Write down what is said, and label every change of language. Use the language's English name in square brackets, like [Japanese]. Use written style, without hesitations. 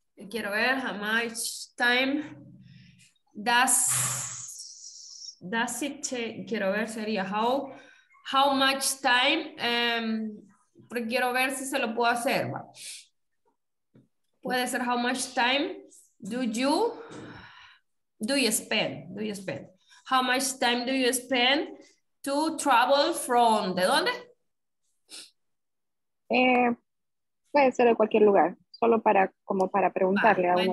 [Spanish] Quiero ver [English] how much time does it take. [Spanish] Quiero ver sería [English] how much time. [Spanish] Pero quiero ver si se lo puedo hacer. Puede ser [English] how much time do you spend? How much time do you spend to travel from [Spanish] de dónde? Puede ser de cualquier lugar. Solo para, como para preguntarle a una